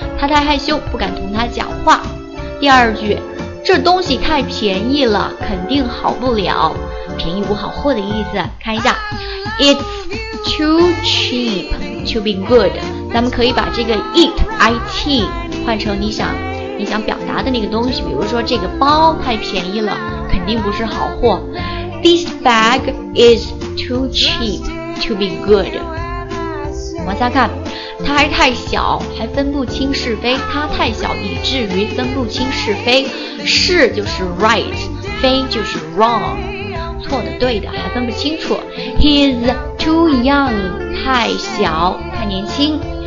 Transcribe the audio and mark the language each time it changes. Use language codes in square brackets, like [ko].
[zh] 他太害羞，不敢同他讲话。第二句，这东西太便宜了，肯定好不了。便宜不好货的意思，看一下。 [en] It's too cheap to be good. [zh] 咱们可以把这个 it, it, 换成你想表达的那个东西，比如说这个包太便宜了，肯定不是好货。 [en] This bag is too cheap to be good. [zh] 往下看。他还太小，还分不清是非。他太小，以至于分不清是非。是就是 right， 非就是 wrong， 错的对的还分不清楚。 [en] He is too young， [zh] 太小，太年轻。